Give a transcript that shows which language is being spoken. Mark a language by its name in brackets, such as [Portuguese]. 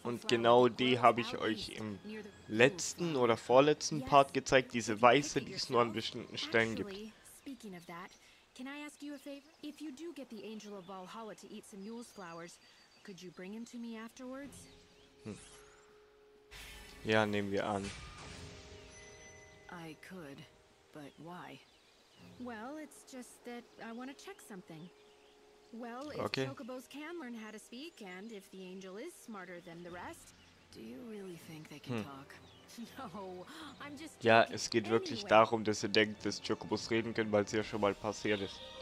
[German] flower. Und genau die habe ich euch im letzten oder vorletzten Part gezeigt, diese weiße, die es nur an bestimmten Stellen gibt. [English] Speaking of that, can I ask you a favor? If you do get the Angel of Valhalla to eat some Yule's flowers, could you bring him to me afterwards? [German] Ja, nehmen wir an. [English] I could, but why? Well, it's just that I want to check something. Well, if chocobos can learn how to speak, and if the angel is smarter than the rest, do you really think they can talk? No, I'm just. [German] Ja, es geht wirklich darum, dass ihr denkt, dass Chocobos reden können, weil es ja schon mal passiert ist.